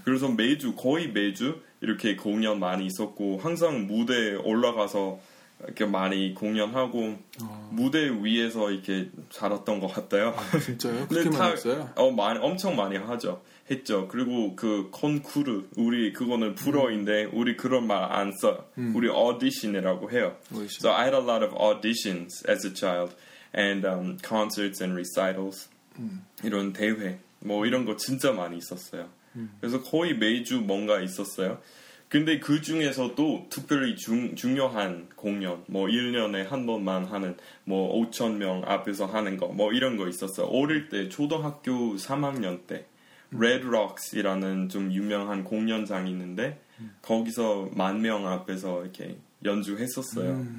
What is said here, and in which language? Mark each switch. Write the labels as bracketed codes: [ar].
[ko] 그래서 매주 거의 매주 이렇게 공연 많이 있었고 항상 무대에 올라가서 이렇게 많이 공연하고 무대 위에서 이렇게 잘했던 것 같아요. 아, 진짜요? 그렇게 많이 했어요? 엄청 많이 하죠. 했죠. 그리고 그 콘쿠르 우리 그거는 불어인데 우리 그런 말 안 써. 우리 audition이라고 해요. [en] So I had a lot of auditions as a child and concerts and recitals. [ko] 이런 대회 뭐 이런 거 진짜 많이 있었어요. 그래서 거의 매주 뭔가 있었어요. 근데 그 중에서도 특별히 중요한 공연, 뭐 1년에 한 번만 하는, 뭐 5천 명 앞에서 하는 거, 뭐 이런 거 있었어. 어릴 때, 초등학교 3학년 때, Red Rocks이라는 좀 유명한 공연장이 있는데, 거기서 만 명 앞에서 이렇게 연주했었어요.